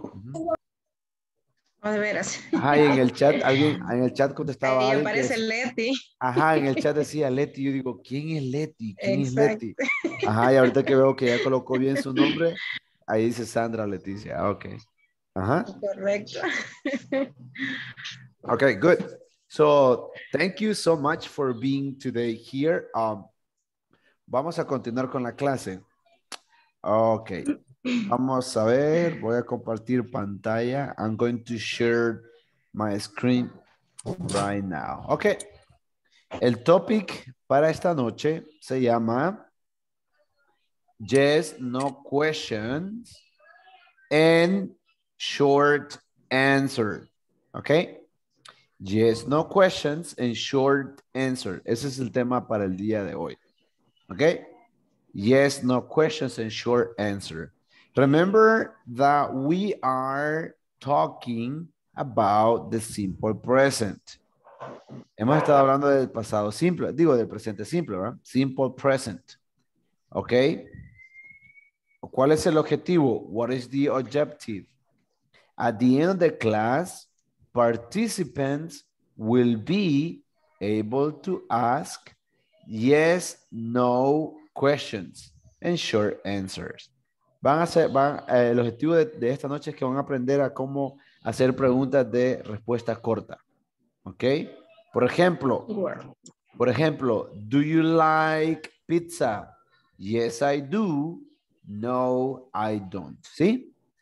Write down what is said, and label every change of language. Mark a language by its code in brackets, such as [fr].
[es] No, de veras. Ajá, y en el chat, alguien en el chat contestaba. Ahí aparece es... Leti. Ajá, en el chat decía Leti. Yo digo, ¿quién es Leti? ¿Quién Exacto. es Leti? Ajá, y ahorita que veo que ya colocó bien su nombre, ahí dice Sandra Leticia. Ok. Ajá. Correcto. [en] Ok, good. So, thank you so much for being today here. [es] Vamos a continuar con la clase. Ok. Vamos a ver. Voy a compartir pantalla. [en] I'm going to share my screen right now. [es] Ok. El topic para esta noche se llama [en] Yes, No Questions and Short Answer. [es] Ok. [en] Yes, No Questions and Short Answer. [es] Ese es el tema para el día de hoy. [en] Ok. Yes, No Questions and Short Answer. Remember that we are talking about the simple present. [es] Hemos estado hablando del pasado simple, digo del presente simple, ¿verdad? [en] Simple present. [es] ¿Ok? ¿Cuál es el objetivo? [en] What is the objective? At the end of the class, participants will be able to ask yes, no questions and short answers. [es] El objetivo de esta noche es que van a aprender a cómo hacer preguntas de respuesta corta. [en] ¿Ok? [es] Por ejemplo, [en] do you like pizza? Yes, I do. No, I don't. ¿Sí?